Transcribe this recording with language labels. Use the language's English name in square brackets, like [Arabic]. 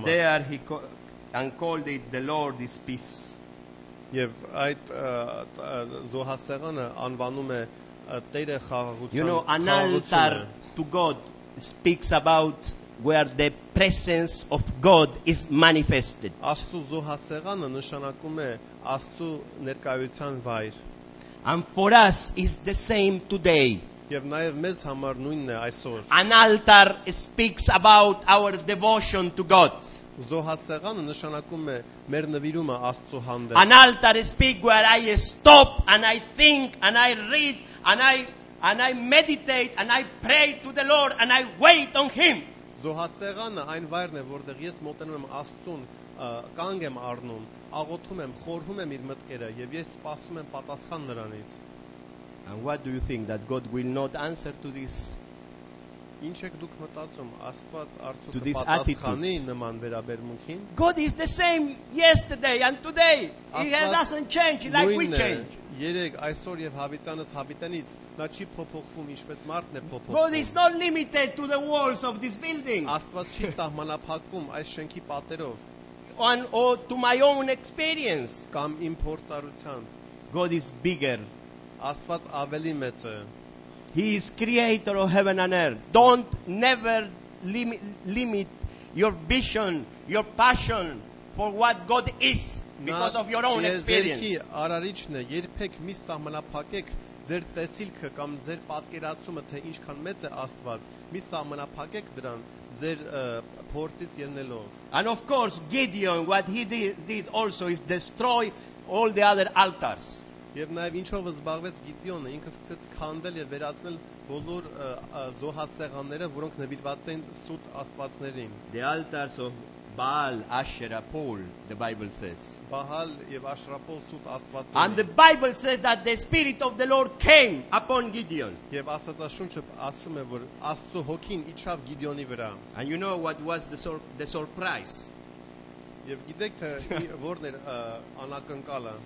[English] And there he called it, the Lord is peace. [Armenian] Եվ այդ զոհասեղանը անվանում է Տերը խաղաղության։ [English] You know, an altar to God speaks about where the presence of God is manifested. [Armenian] Աստու զոհասեղանը նշանակում է Աստու ներկայության վայր։ [English] And for us is the same today. [Armenian] Եվ նաև մեզ համար նույնն է այսօր։ [English] An altar speaks about our devotion to God. [Armenian] Զոհասեղանը նշանակում է մեր նվիրումը Աստծու հանդեպ։ [English] An altar speaks where I stop and I think and I read and I meditate and I pray to the Lord and I wait on him. [Armenian] Զոհասեղանը այն վայրն է, որտեղ ես մոտենում եմ Աստծուն, կանգ եմ առնում, աղոթում եմ, խորհում եմ իր մտքերը եւ ես սպասում եմ պատասխան նրանից։ [English] And what do you think that God will not answer to this? [Armenian] Ինչ եք դուք մտածում Աստված արդյոք պատասխանի նման վերաբերմունքին? [English] God is the same yesterday and today. He doesn't change like we change. [Armenian] Երեք այսօր եւ հավիտյանս հավիտենից նա չի փոփոխվում ինչպես մարդն է փոփոխվում. [English] God is not limited to the walls of this building. [Armenian] Աստված չի սահմանափակվում այս շենքի պատերով. [English] On to my own experience. [Armenian] Կամ իմ փորձառության. [English] God is bigger. [Armenian] Աստված ավելի մեծ է. [English] He is creator of heaven and earth. Don't never limit your vision, your passion for what God is because of your own experience. [Armenian] Արարիչն է, երբեք մի սահմանափակեք ձեր տեսիլքը կամ ձեր պատկերացումը, թե ինչքան մեծ է Աստված, մի սահմանափակեք դրան ձեր փորձից ելնելով. [English] And of course, Gideon, what he did also is destroy all the other altars. [Armenian] Եվ նաև ինչով զբաղվեց Գիդիոնը, ինքը սկսեց քանդել եւ վերացնել բոլոր զոհասեղանները, որոնք նվիրված էին սուտ աստվածներին. [English] The altars of Baal, Asherah pole, the Bible says. [Armenian] Baal եւ Աշրափոլ սուտ աստվածներ. [English] And the Bible says that the spirit of the Lord came upon Gideon. [Armenian] Եվ Աստվածաշունչը ասում է, որ Աստծո հոգին իջավ Գիդիոնի վրա. [English] And you know what was the surprise? [Armenian] Եվ գիտեք թե որն էր անակնկալը.